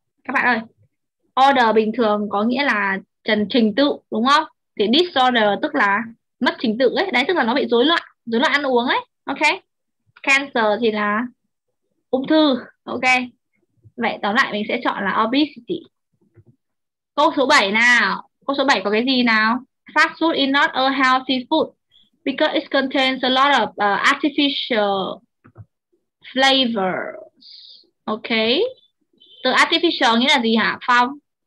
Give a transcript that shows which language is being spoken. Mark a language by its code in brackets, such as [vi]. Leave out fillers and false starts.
[vi] Các bạn ơi, order bình thường có nghĩa là trình tự, đúng không? Thì disorder tức là mất trình tự ấy. Đấy, tức là nó bị rối loạn ăn uống ấy. Ok. Cancer thì là ung thư. Ok. Vậy tóm lại mình sẽ chọn là obesity. Câu số 7 nào. Câu số 7 có cái gì nào? [en] Fast food is not a healthy food because it contains a lot of artificial flavors. Ok. [vi] Từ artificial nghĩa là gì hả Phong?